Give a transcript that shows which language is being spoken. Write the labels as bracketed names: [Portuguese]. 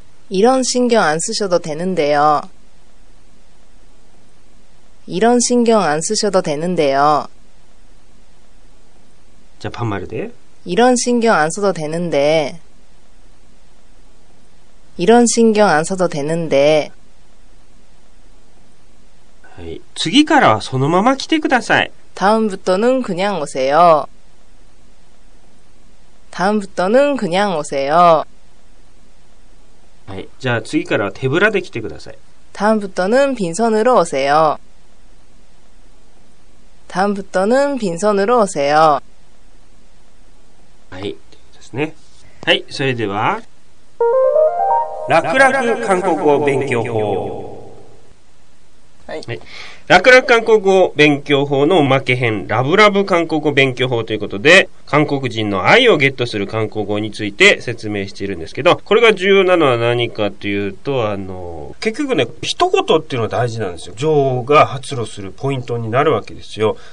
[Korean] 이런신경안쓰셔도되는데요이런신경안쓰셔도되는데요 자반말で 이런신경안써도되는데이런신경안써도되는데 [Japanese] はい、次からはそのまま来てください。 [Korean] 다음부터는그냥오세요다음부터는그냥오세요 [Japanese] はい、じゃあ次からは手ぶらで来てください。 [Korean] 다음부터는빈손으로오세요다음부터는빈손으로오세요 [Japanese] はい、ですね。はい、それでは楽々韓国語勉強法。楽々韓国語勉強法。楽々韓国語勉強法のおまけ編、ラブラブ韓国語勉強法ということで、韓国人の愛をゲットする韓国語について説明しているんですけど、これが重要なのは何かというと、結局ね、一言っていうのは大事なんですよ。女王が発露するポイントになるわけですよ。